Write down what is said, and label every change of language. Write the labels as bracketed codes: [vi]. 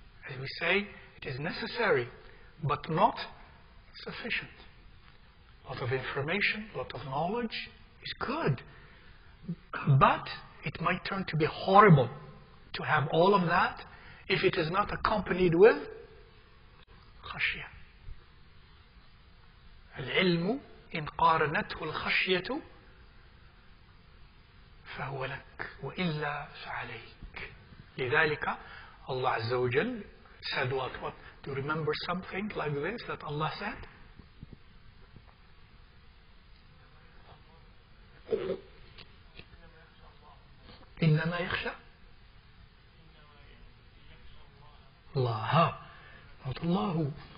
[en] As we say, it is necessary, but not sufficient. A lot of information, a lot of knowledge is good, but it might turn to be horrible to have all of that if it is not accompanied with khashya. [ar] العلم إن قارنته الخشية فهو لك وإلا فعليك. لذلك الله عز وجل [en] said what? Do you remember something like this that Allah said? [ar] إنما يخشى الله. Not الله.